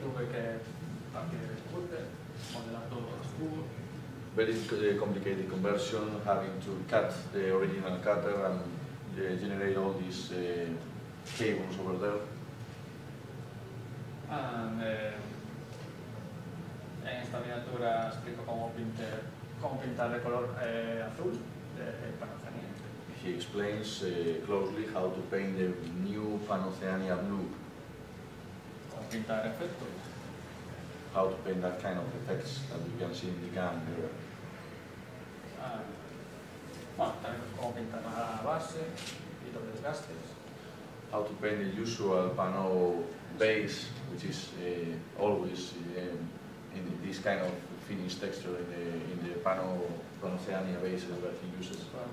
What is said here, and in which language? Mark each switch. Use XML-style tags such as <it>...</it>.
<es>Tuve que partir el cúter, modelar todos los cubos.</es> <en>Very complicated conversion, having to cut the original cutter and generate all these cables over there.</en> <es>En esta miniatura explico cómo pintar de color azul de Panoceania.</es> <en>He explains closely how to paint the new Panoceania blue.</en> <es>¿Cómo pintar efectos?</es> <en>How to paint that kind of effects that you can see in the GAN here.</en> <es>Bueno, también cómo pintar la base y los desgastes.</es> <en>How to paint the usual pano base, which is always in this kind of finished texture in the pano Panoceania base that he uses.</en>